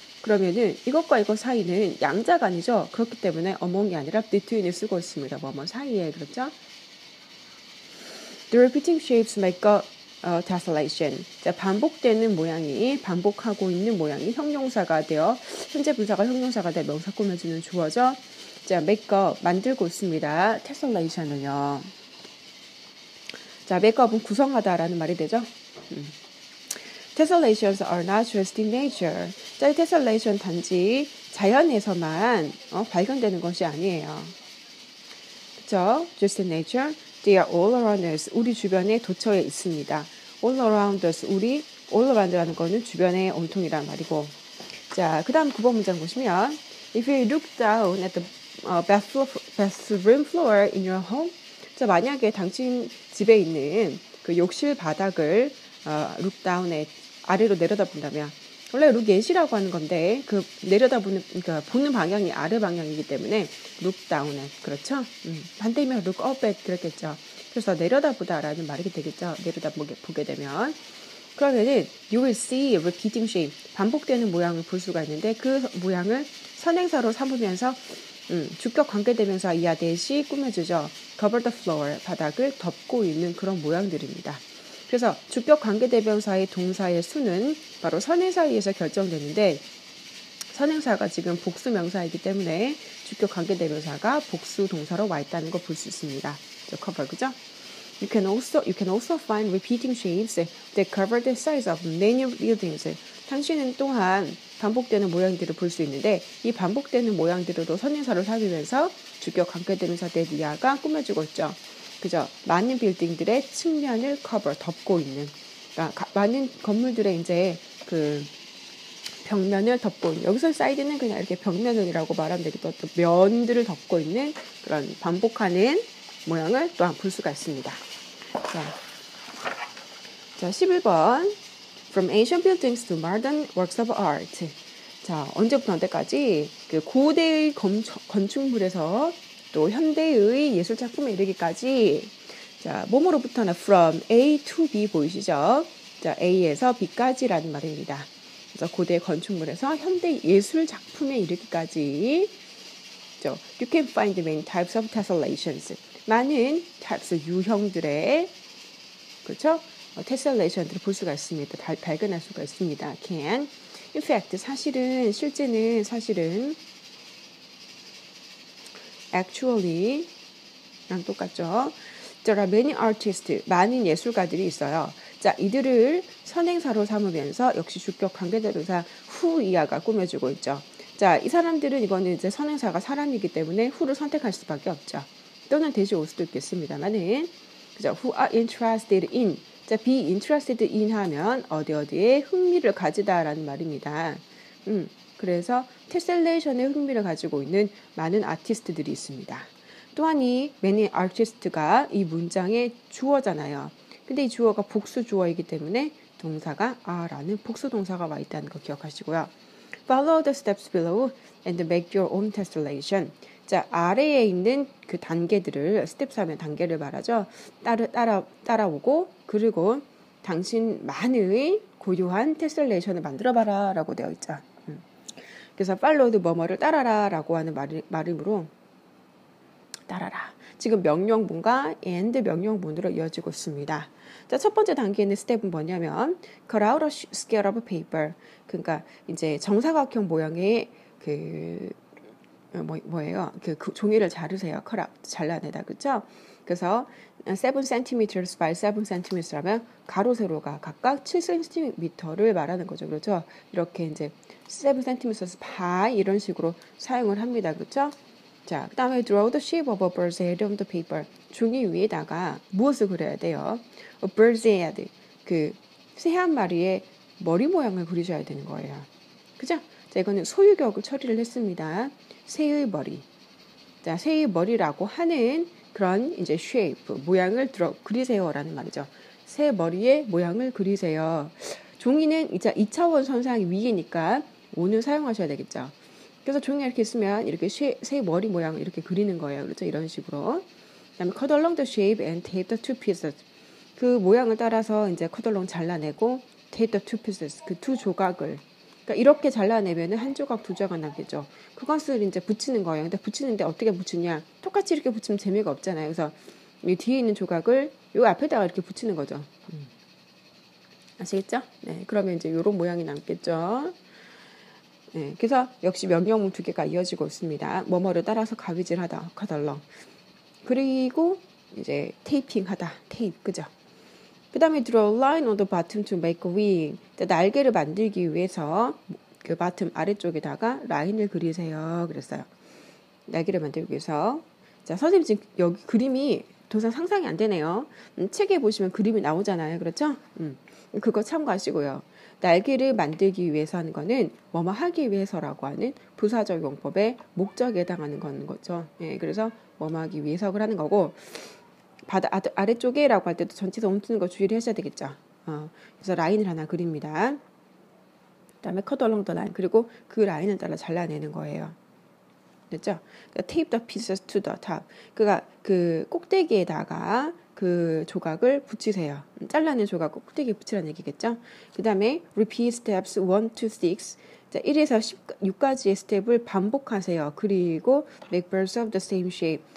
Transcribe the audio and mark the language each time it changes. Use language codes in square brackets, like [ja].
[ko] 그러면은 이것과 이거 사이는 양자간이죠. 그렇기 때문에 among이 아니라 between을 쓰고 있습니다. 뭐뭐 사이에, 그렇죠? [en] The repeating shapes make up tessellation. [ko] 자, 반복하고 있는 모양이 형용사가 되어 현재 분사가 형용사가 되어 명사 꾸며주는 주어죠. 자, make up 만들고 있습니다. tessellation은요. 자, make up은 구성하다라는 말이 되죠. [en] Tessellations are not just in nature. [ko] 자, tessellation 단지 자연에서만 발견되는 것이 아니에요. 그쵸? [en] Just in nature, they are all around us. [ko] 우리 주변에 도처에 있습니다. [en] All around us, [ko] 우리 all around라는 거는 주변의 온통이란 말이고, 자 그다음 9번 문장 보시면, [en] if you look down at the bathroom floor in your home, [ko] 자 만약에 당신 집에 있는 그 욕실 바닥을 look down에 아래로 내려다본다면, 원래 look at이라고 하는 건데 그 내려다보는 그러니까 보는 방향이 아래 방향이기 때문에 look down에 그렇죠? 반대면 look up에 그렇겠죠. 그래서 내려다보다라는 말이 되겠죠. 내려다보게 되면 그러면은 [en] you will see repeating shape [ko] 반복되는 모양을 볼 수가 있는데 그 모양을 선행사로 삼으면서 주격 관계되면서 이하 대시 꾸며주죠. [en] cover the floor [ko] 바닥을 덮고 있는 그런 모양들입니다. 그래서 주격 관계대명사의 동사의 수는 바로 선행사에서 결정되는데 선행사가 지금 복수명사이기 때문에 주격 관계대명사가 복수 동사로 와 있다는 거 볼 수 있습니다. Cover, 그죠? [en] You can also find repeating shapes that cover the size of many buildings. [ko] 당신은 또한 반복되는 모양들을 볼 수 있는데 이 반복되는 모양들도 선행사로 삼으면서 주격 관계대명사 that 이하가 꾸며주고 있죠. 그죠? 많은 빌딩들의 측면을 cover 덮고 있는 그러니까 많은 건물들의 이제 그 벽면을 덮고 있는, 여기서 사이드는 그냥 이렇게 벽면이라고 말하면 되기도 하고 면들을 덮고 있는 그런 반복하는 모양을 또한 볼 수가 있습니다. 자, 자, 11번. [en] From ancient buildings to modern works of art. [ko] 자, 언제부터 언제까지? 그 고대의 건축물에서 또 현대의 예술 작품에 이르기까지. 자, 몸으로부터는 from A to B 보이시죠? 자, A에서 B까지라는 말입니다. 그래서 고대 건축물에서 현대 예술 작품에 이르기까지. 그렇죠? [en] You can find many types of tessellations. [ko] 많은 types, 유형들의, 그렇죠? Tessellations를 볼 수가 있습니다. 발견할 수가 있습니다. Can. [en] In fact, [ko] 사실은, 실제는 사실은, actually랑 똑같죠? [en] There are many artists, [ko] 많은 예술가들이 있어요. 자, 이들을 선행사로 삼으면서 역시 주격 관계대명사 후 이하가 꾸며지고 있죠. 자, 이 사람들은 이거는 이제 선행사가 사람이기 때문에 후를 선택할 수밖에 없죠. 또는 되지 올 수도 있겠습니다만은, 그죠? [en] Who are interested in? [ko] 자, be interested in 하면 어디 어디에 흥미를 가지다라는 말입니다. 그래서 테셀레이션에 흥미를 가지고 있는 많은 아티스트들이 있습니다. 또한 이 many artist가 이 문장의 주어잖아요. 근데 이 주어가 복수 주어이기 때문에 동사가 아라는 복수 동사가 와 있다는 거 기억하시고요. [en] Follow the steps below and make your own tessellation. [ko] 자, 아래에 있는 그 단계들을 스텝 하면 단계를 말하죠. 따라오고 그리고 당신 만의 고유한 tessellation을 만들어 봐라라고 되어 있죠. 그래서 follow the 뭐뭐를 따라라라고 하는 말이므로 따라라. 지금 명령문과 and 명령문으로 이어지고 있습니다. 자, 첫 번째 단계 있는 스텝은 뭐냐면 [en] cut out a square of paper. [ko] 그러니까 이제 정사각형 모양의 그 뭐예요? 그 종이를 자르세요. cut out 잘라내다. 그렇죠? 그래서 7cm by 7cm라면 가로 세로가 각각 7cm를 말하는 거죠. 그렇죠? 이렇게 이제 7cm by 이런 식으로 사용을 합니다. 그렇죠? 자, 그 다음에 [en] draw the shape of a bird's head on the paper. [ko] 종이 위에다가 무엇을 그려야 돼요? [en] A bird's head. [ko] 그 새 한 마리의 머리 모양을 그리셔야 되는 거예요. 그죠? 자, 이거는 소유격을 처리를 했습니다. 새의 머리. 자, 새의 머리라고 하는 그런 이제 shape, 모양을 그리세요라는 말이죠. 새 머리의 모양을 그리세요. 종이는 이제 2차원 선상 위이니까 5는 사용하셔야 되겠죠. 그래서 종이 이렇게 있으면 이렇게 새 머리 모양을 이렇게 그리는 거예요. 그렇죠? 이런 식으로. [en] 그 다음에 cut along the shape and tape the two pieces. [ko] 그 모양을 따라서 이제 [en] cut along [ko] 잘라내고 [en] tape the two pieces. [ko] 그 두 조각을. 그러니까 이렇게 잘라내면 한 조각, 두 조각 남겠죠. 그것을 이제 붙이는 거예요. 근데 붙이는데 어떻게 붙이냐. 똑같이 이렇게 붙이면 재미가 없잖아요. 그래서 이 뒤에 있는 조각을 요 앞에다가 이렇게 붙이는 거죠. 아시겠죠? 네. 그러면 이제 요런 모양이 남겠죠. 네, 그래서 역시 명령문 두 개가 이어지고 있습니다. 뭐뭐를 따라서 가위질하다, 커덜렁. 그리고 이제 테이핑하다, 테이프, 그죠? 그 다음에 [en] draw a line on the bottom to make a wing. [ko] 날개를 만들기 위해서 그 bottom 아래쪽에다가 라인을 그리세요, 그랬어요. 날개를 만들기 위해서. 자, 선생님 지금 여기 그림이 도저히 상상이 안 되네요. 책에 보시면 그림이 나오잖아요, 그렇죠? 그거 참고하시고요. 날개를 만들기 위해서 하는 거는 뭐뭐 하기 위해서라고 하는 부사적 용법의 목적에 해당하는 건 거죠. 예, 그래서 뭐뭐 하기 위해서 그러는 거고 바다 아래쪽에 라고 할 때도 전체에서 움트는 거 주의를 하셔야 되겠죠. 그래서 라인을 하나 그립니다. 그 다음에 [en] cut along the line [ko] 그리고 그 라인을 따라 잘라내는 거예요. 됐죠? 그러니까 [en] tape the pieces to the top. [ko] 그러니까 그 꼭대기에다가 그 조각을 붙이세요. 잘라낸 조각 꼭대기 붙이라는 얘기겠죠. 그 다음에 [en] repeat steps 1-6. [ko] 자, 1에서 6까지의 스텝을 반복하세요. 그리고 [en] make birds of the same shape.